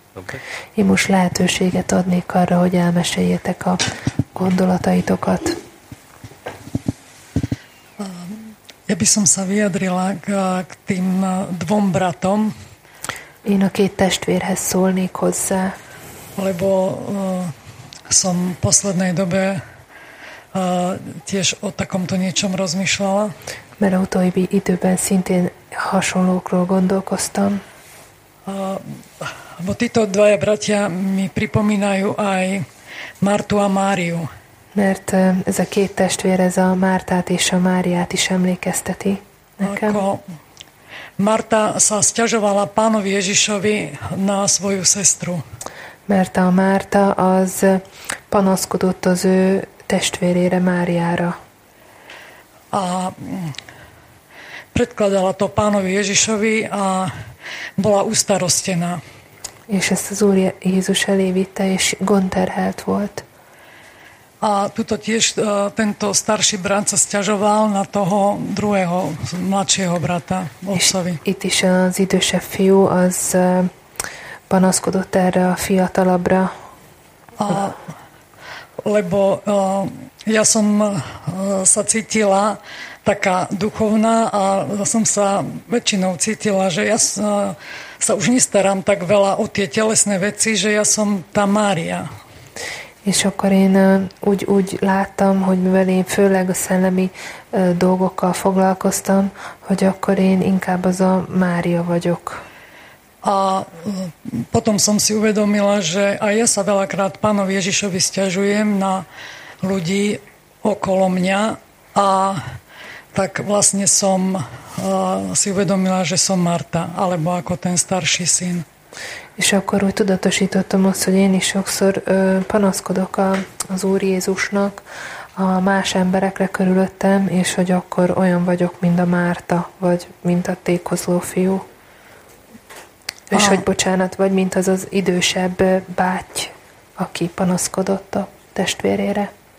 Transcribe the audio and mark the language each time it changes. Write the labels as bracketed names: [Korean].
[English] Okay? [Hungarian] Én most lehetőséget adnék arra, hogy elmeséljetek a gondolataitokat. [Slovak] Ja by som sa vyjadrila k tým dvom bratom. [Hungarian] Én a két testvérhez szólnék hozzá. [Slovak] Lebo som v poslednej dobe tiež o takomto niečom rozmýšľala. [Hungarian] Mero utóbbi időben szintén hasonlókról gondolkoztam. [Slovak] Bo títo dvaja bratia mi pripomínajú aj Martu a Máriu. [Hungarian] Mert ez a két testvér, ez a Mártát és a Máriát is emlékezteti nekem. [Slovak] Marta sa sťažovala pánovi Ježišovi na svoju sestru. [Hungarian] Mert a Márta az panaszkodott az ő testvérére, Máriára. [Slovak] A predkladala to pánovi Ježišovi a bola ustarostená. [Hungarian] És ezt az Úr Jézus elé vitte, és gondterhelt volt. [Slovak] A tuto tiež tento starší brat sa sťažoval na toho druhého, mladšieho brata, otcovi. [Hungarian] Itt is az idősebb fiú, az panaszkodott erre a fiatalabbra. [Slovak] Lebo ja som sa cítila taká duchovná a som sa väčšinou cítila, že ja sa už nestarám tak veľa o tie telesné veci, že ja som tá Mária. [Hungarian] És akkor én úgy láttam, hogy mivel én főleg a szellemi dolgokkal foglalkoztam, hogy akkor én inkább az a Mária vagyok. [Slovak] A potom som si uvedomila, že aj ja sa veľakrát Pánovi Ježišovi sťažujem na ľudí okolo mňa a tak vlastne som si uvedomila, že som Marta, alebo ako ten starší syn. [Hungarian] És akkor úgy tudatosítottam azt, hogy én is sokszor panaszkodok az Úr Jézusnak, a más emberekre körülöttem, és hogy akkor olyan vagyok, mint a Márta, vagy mint a tékozló fiú. És hogy bocsánat, vagy mint az az idősebb báty, aki panaszkodott a testvérére.